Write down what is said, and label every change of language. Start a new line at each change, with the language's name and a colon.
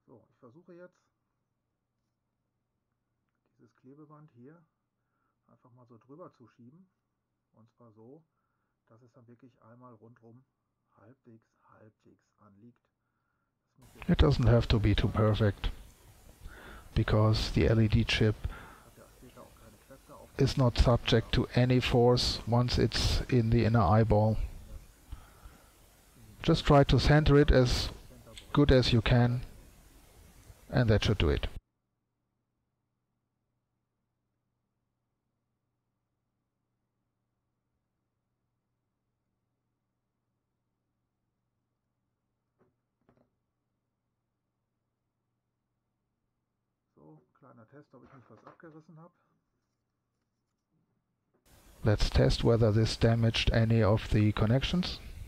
German: Ich versuche jetzt, dieses Klebeband hier einfach mal so drüber zu schieben. Und zwar so, dass es dann wirklich einmal rundherum halbwegs anliegt.
English: It doesn't have to be too perfect, because the LED chip is not subject to any force once it's in the inner eyeball. Just try to center it as good as you can. And that should do it.
German: So, kleiner Test, ob ich nicht was abgerissen habe.
English: Let's test whether this damaged any of the connections.